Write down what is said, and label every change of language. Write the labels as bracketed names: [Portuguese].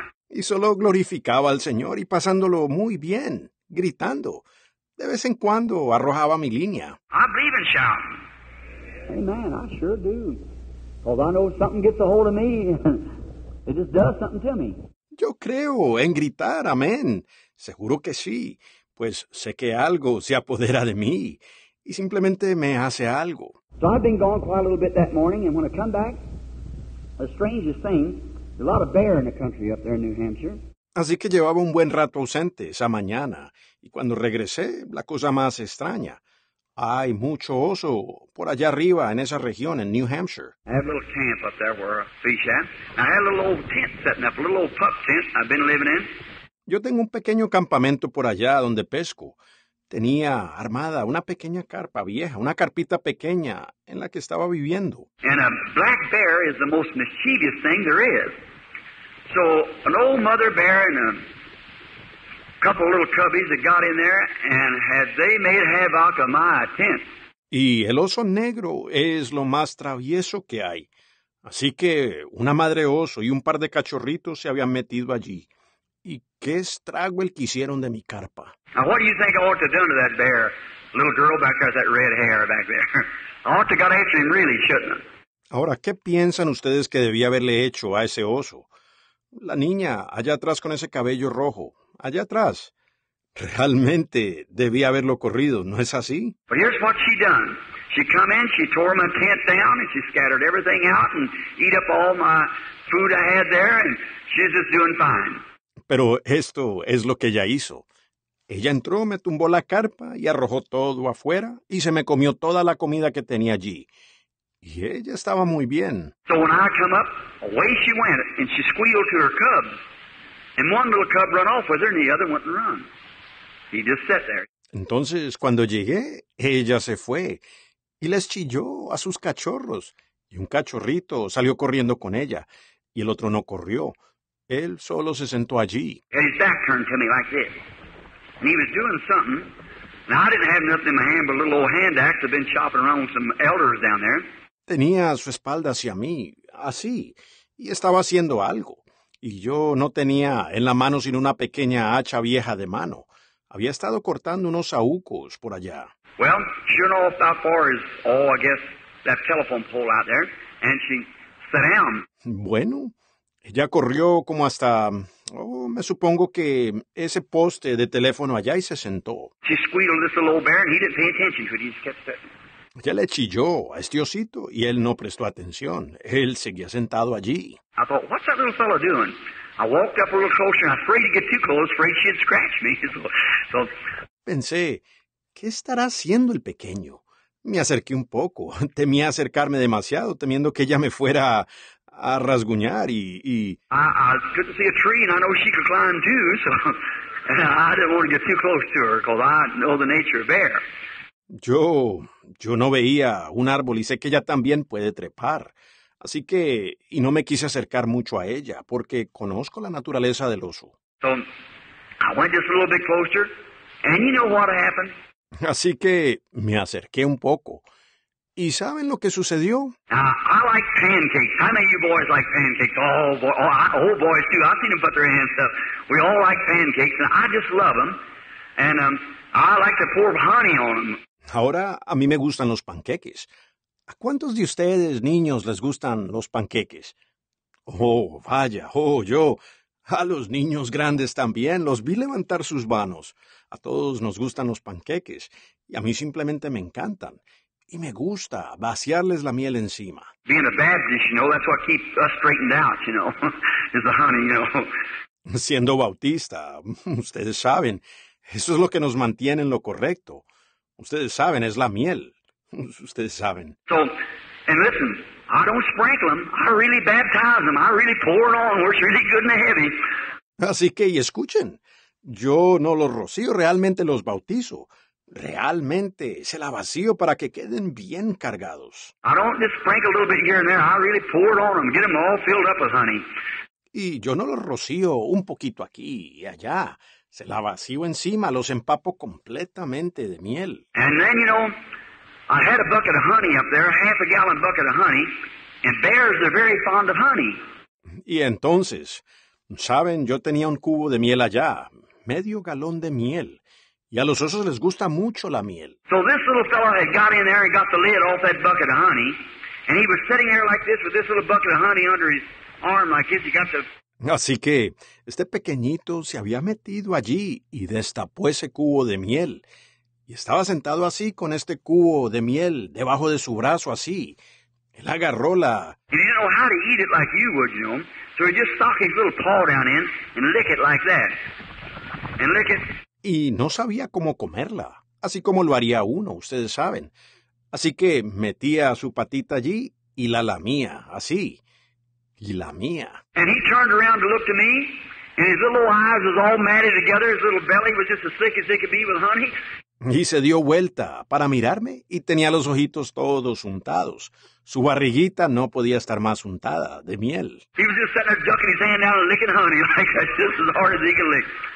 [Spanish] Y solo glorificaba al Señor y pasándolo muy bien, gritando. De vez en cuando arrojaba mi línea. [English] I believe in shouting. Amen, I sure do. Because I know something gets a hold of me. It just does something to me. [Spanish] Yo creo en gritar, amén. Seguro que sí. Pues sé que algo se apodera de mí. Y simplemente me hace algo. [English] So I've been gone quite a little bit that morning, and when I come back, the strangest thing, there's a lot of bear in the country up there in New Hampshire. [Spanish] Así que llevaba un buen rato ausente esa mañana, y cuando regresé, la cosa más extraña. Hay mucho oso por allá arriba en esa región, en New Hampshire. [English] I had a little camp up there where a fish at. I had a little old tent setting up, a little old pup tent I've been living in. [Spanish] Yo tengo un pequeño campamento por allá donde pesco. Tenía armada una pequeña carpa vieja, una carpita pequeña en la que estaba viviendo. [English] And a black bear is the most mischievous thing there is. So an old mother bear and a couple little cubbies that got in there and had they made havoc of my tent. [Spanish] Y el oso negro es lo más travieso que hay. Así que una madre oso y un par de cachorritos se habían metido allí. ¿Y qué estrago el que hicieron de mi carpa? [English] Now, what do you think I ought to have done to that bear? Little girl back there with that red hair back there. I ought to have got after him, really, shouldn't I? [Spanish] Ahora, ¿qué piensan ustedes que debía haberle hecho a ese oso? La niña, allá atrás con ese cabello rojo. Allá atrás. Realmente, debía haberlo corrido, ¿no es así? [English] But here's what she done. She come in, she tore my tent down, and she scattered everything out and eat up all my food I had there, and she's just doing fine. [Spanish] Pero esto es lo que ella hizo. Ella entró, me tumbó la carpa y arrojó todo afuera y se me comió toda la comida que tenía allí. Y ella estaba muy bien. [English] So when I come up, away she went and she squealed to her cubs. And one little cub run off with her and the other went and run. He just sat there. [Spanish] Entonces, cuando llegué, ella se fue y les chilló a sus cachorros. Y un cachorrito salió corriendo con ella y el otro no corrió. Él solo se sentó allí. [English] And his back turned to me like this. And he was doing something. And I didn't have nothing in my hand but a little old hand axe that had been chopping around with some elders down there. [Spanish] Tenía su espalda hacia mí, así, y estaba haciendo algo. Y yo no tenía en la mano sino una pequeña hacha vieja de mano. Había estado cortando unos saúcos por allá. [English] Well, sure enough, how far is, oh, I guess, that telephone pole out there. And she sat down. [Spanish] Bueno. Ella corrió como hasta, oh, me supongo que ese poste de teléfono allá y se sentó. [English] She squealed this little old bear and he didn't pay attention, but he just kept sitting. [Spanish] Ella le chilló a este osito y él no prestó atención. Él seguía sentado allí. [English] I thought, what's that little fella doing? I walked up a little closer and I'm afraid to get too close, afraid she'd scratch me. So, [Spanish] pensé, ¿qué estará haciendo el pequeño? Me acerqué un poco. Temía acercarme demasiado, temiendo que ella me fuera a rasguñar y... [English] I couldn't see a tree and I know she could climb too, so I didn't want to get too close to her because I know the nature of bear. [Spanish] Yo no veía un árbol y sé que ella también puede trepar. Así que, y no me quise acercar mucho a ella porque conozco la naturaleza del oso. [English] So, I went just a little bit closer and you know what happened? [Spanish] Así que me acerqué un poco. ¿Y saben lo que sucedió? [English] I like pancakes. How many of you boys like pancakes? Old boys too. I've seen them put their hands up. We all like pancakes, and I just love them. And I like to pour honey on them. [Spanish] Ahora, a mí me gustan los panqueques. ¿A cuántos de ustedes, niños, les gustan los panqueques? Oh, vaya, oh, yo. A los niños grandes también. Los vi levantar sus manos. A todos nos gustan los panqueques. Y a mí simplemente me encantan. Y me gusta vaciarles la miel encima. [English] Being a Baptist, you know, that's what keeps us straightened out, you know, is the honey, you know. [Spanish] Siendo bautista, ustedes saben, eso es lo que nos mantiene en lo correcto. Ustedes saben, es la miel. Ustedes saben. [English] So, and listen, I don't sprinkle them. I really baptize them. I really pour it on where it's really good and heavy. [Spanish] Así que, y escuchen, yo no los rocío, realmente los bautizo. Realmente se la vacío para que queden bien cargados. [English] I don't just sprinkle a little bit here and there. I really pour it on them, get them all filled up with honey. [Spanish] Y yo no los rocío un poquito aquí y allá. Se la vacío encima, los empapo completamente de miel. [English] And then, you know, I had a bucket of honey up there, a half a gallon bucket of honey, and bears are very fond of honey. [Spanish] Y entonces, saben, yo tenía un cubo de miel allá, medio galón de miel. Y a los osos les gusta mucho la miel. [English] So this little fellow had got in there and got the lid off that bucket of honey. And he was sitting there like this with this little bucket of honey under his arm like this. He got the... [Spanish] Así que, este pequeñito se había metido allí y destapó ese cubo de miel. Y estaba sentado así con este cubo de miel debajo de su brazo así. Él agarró la... [English] He didn't know how to eat it like you would, you know. So he just stuck his little paw down in and lick it like that. And lick it. [Spanish] Y no sabía cómo comerla, así como lo haría uno, ustedes saben. Así que metía su patita allí y la lamía, así. Y lamía. [English] And he turned around to look to me, and his little eyes was all matted together, his little belly was just as thick as it could be with honey. [Spanish] Y se dio vuelta para mirarme y tenía los ojitos todos untados. Su barriguita no podía estar más untada de miel. [English] He was just sitting there ducking his hand out and licking honey like that, just as hard as he could lick.